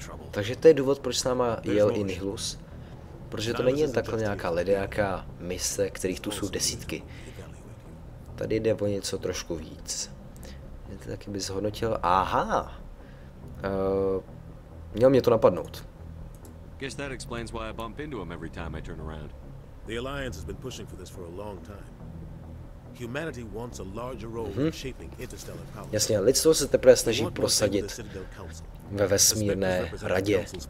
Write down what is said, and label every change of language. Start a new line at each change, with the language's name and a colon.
Czech: Takže to je důvod, proč s náma jel i Nihlus. Protože to není jen takhle nějaká ledajaká mise, kterých tu jsou desítky. Tady jde o něco trošku víc. Taky bys zhodnotil, aha! Měl mě to napadnout.
English: Guess that explains why I bump into him every time I turn around. The Alliance has been pushing for this for a long time. Humanity wants a larger role in shaping interstellar power.
Czech: Jasně, lidstvo se teprve snaží prosadit ve vesmírné radě.